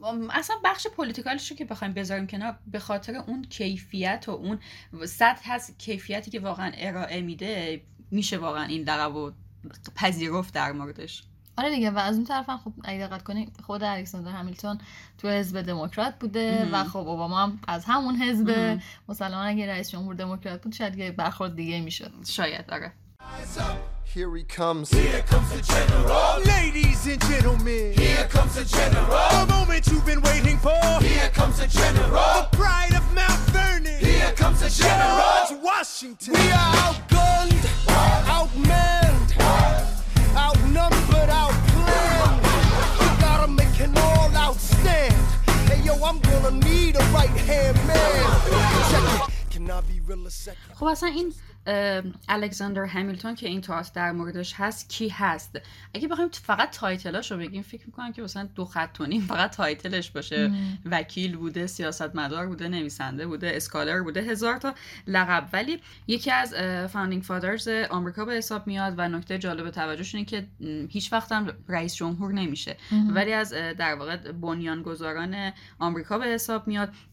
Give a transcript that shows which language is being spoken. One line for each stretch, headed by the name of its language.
Persian: اصلا بخش پولیتیکالش رو که بخوایم بذاریم کنار، به خاطر اون کیفیت و اون سطح هست کیفیتی که واقعا ارائه میده، میشه واقعا این لقب رو پذیرفت در موردش. آره دیگه، و از اون طرف هم خب اگه دقت کنی خود الکساندر همیلتون تو حزب دموکرات بوده و خب اوباما هم از همون حزب مسلمان، اگه رئیس جمهور دموکرات بود شاید یه برخورد دیگه میشد. شاید. آره
English: Here comes the general. Ladies and gentlemen. Here comes the general. The moment you've been waiting for. Here comes the general. The pride of Mount Vernon. Here comes the general. George Washington. We are outgunned. Outmanned. Outnumbered, outplanned. We gotta make an all-out stand. Hey yo, I'm gonna need a right-hand man. Check it. Cannot be real a second. Who was that?
Persian: الکساندر همیلتون که این تئاتر در موردش هست کی هست؟ اگه بخوایم فقط تایتلاشو بگیم، فکر میکنم که مثلا دو خط و نیم فقط تایتلش باشه. وکیل بوده، سیاستمدار بوده، نویسنده بوده، اسکالر بوده، هزار تا لقب، ولی یکی از فاوندینگ فادرز آمریکا به حساب میاد و نکته جالب توجهش اینه که هیچ وقت هم رئیس جمهور نمیشه، ولی از در واقع بنیانگذاران آمریکا به حساب میاد.